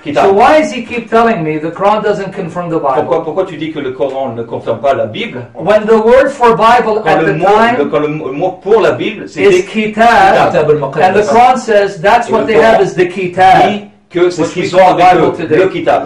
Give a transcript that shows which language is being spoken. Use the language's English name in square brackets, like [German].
[English] So why does he keep telling me the Quran doesn't confirm the Bible? [French] Pourquoi tu dis que le Coran ne confirme pas la Bible? [English] When the word for Bible at the time [French] le mot pour la Bible, [English] is Kitab, and the Quran says that's what they have is the Kitab. [French] Que c'est ce qu'ils ont avec le Kitab.